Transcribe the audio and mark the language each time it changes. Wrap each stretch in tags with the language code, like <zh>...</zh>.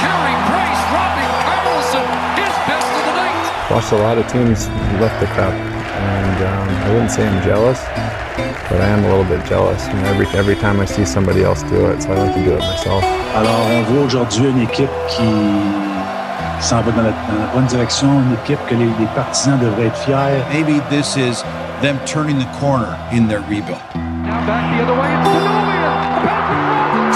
<en>Carey Price robbing Carlson, his best of the night! Watched a lot of teams left the cup, and I wouldn't say I'm jealous, but I am a little bit jealous. You know, every time I see somebody else do it, so I like to do it myself.</en> <fr>Alors, on voit aujourd'hui une équipe qui s'en va dans la bonne direction, une équipe que les partisans devraient être fiers.</fr> <en>Maybe this is them turning the corner in their rebuild. Now back the other way, it's to nowhere!</en>